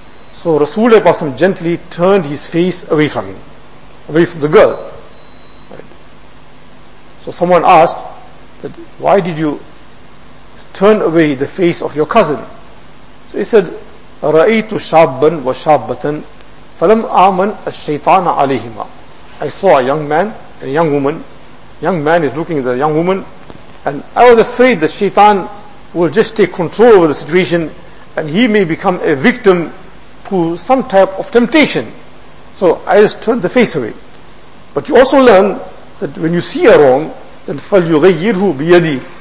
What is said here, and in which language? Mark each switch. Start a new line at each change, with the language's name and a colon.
English: So Rasulullah Pasam gently turned his face away from him, away from the girl. Right. So someone asked, that why did you turn away the face of your cousin? So he said,
Arabic: رَأَيْتُ شَابًا وَشَابَّةً فَلَمْ آمَنَ الشَّيْطَانَ عَلَيْهِمَا.
English: I saw a young man and a young woman. Young man is looking at the young woman, and I was afraid that Shaitan will just take control over the situation and he may become a victim to some type of temptation. So I just turned the face away. But you also learn that when you see a wrong, then
Arabic: فَلْيُغَيِّرْهُ بِيَدِي.